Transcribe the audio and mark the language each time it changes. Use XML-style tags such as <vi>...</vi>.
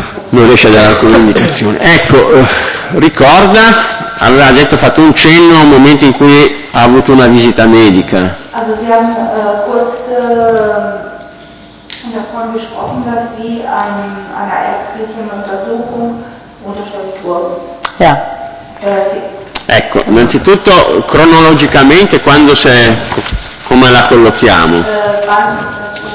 <it>Non riesce a dare alcuna indicazione. Ecco, ricorda, aveva detto, fatto un cenno a un momento in cui ha avuto una visita medica.</it> <de>Also Sie haben kurz davon gesprochen, dass Sie an einer ärztlichen Untersuchung unterstellt wurden. Ja.</de> <it>Ecco, innanzitutto cronologicamente quando si è, come la collochiamo?</it>